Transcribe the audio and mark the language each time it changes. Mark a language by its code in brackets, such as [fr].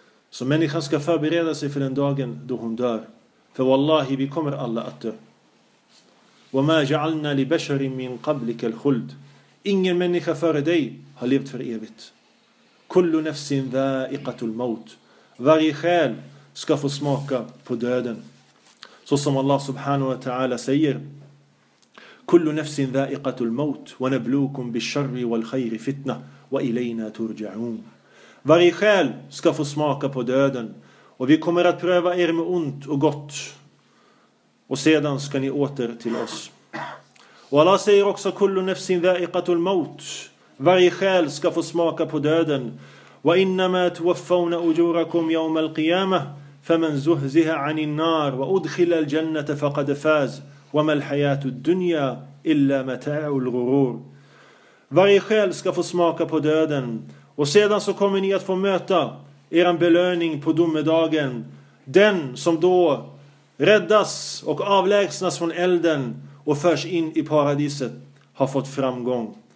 [sv] Så människan ska förbereda sig för den dagen då hon dör. För wallahi, vi kommer alla att dö. [ar] وَمَا جَعَلْنَا لِبَشَرٍ مِّنْ قَبْلِكَ الْخُلْدِ. [sv] Ingen människa före dig har levt för evigt. [ar] كُلُّ نَفْسٍ ذَائِقَةُ الْمَوْتِ. [sv] Varje själ ska få smaka på döden. Så som Allah subhanahu wa ta'ala säger, [ar] كُلُّ نَفْسٍ ذَائِقَةُ الْمَوْتِ وَنَبْلُوكُمْ بِالشَّرِّ وَالْخَيْرِ فِتْنَةِ وَإِلَيْنَا تُرْجَعُونَ. [sv] Varje själ ska få smaka på döden. Och vi kommer att pröva er med ont och gott. Och sedan ska ni åter till oss. Och Allah säger också, [ar] kullu nafsin dha'iqatul maut. [sv] Varje själ ska få smaka på döden. [ar] Wa innama tuwaffawna ujurakum yawmal qiyamah. فمن زهزها عن النار وأدخل الجنة فقد فاز وما الحياة الدنيا إلا متاع الغرور. [sv] Varje själ ska få smaka på döden, och sedan så kommer ni att få möta er belöning på domedagen. Den som då räddas och avlägsnas från elden och förs in i paradiset har fått framgång.